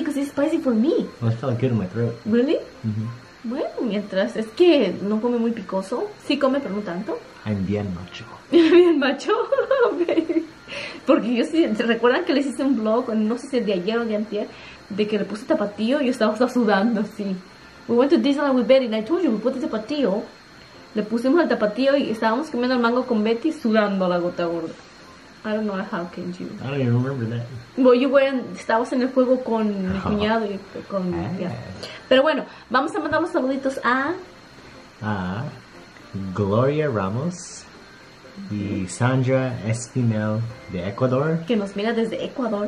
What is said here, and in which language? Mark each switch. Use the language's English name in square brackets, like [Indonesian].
[English] Because it's spicy for me. Well, it felt good in my throat. Really? Mm-hmm. [Spanish] Bueno, mientras. Es que no come muy picoso. Sí come, pero no tanto. [English] I'm [Spanish] bien macho. Bien macho. Okay. Porque yo sí, ¿se recuerdan que les hice un vlog? No sé si de ayer o de antier, de que le puse tapatío y yo estaba sudando así. [English] We went to Disneyland with Betty and I told you we put the tapatío. [Spanish] Le pusimos el tapatío y estábamos comiendo el mango con Betty sudando la gota gorda. [English] I don't know how can you. I don't even remember that. [Spanish] Well, estabas en el juego con mi cuñado y con... Yeah. Pero bueno, vamos a mandar los saluditos a... A Gloria Ramos. Y Sandra Espinel de Ecuador, que nos mira desde Ecuador.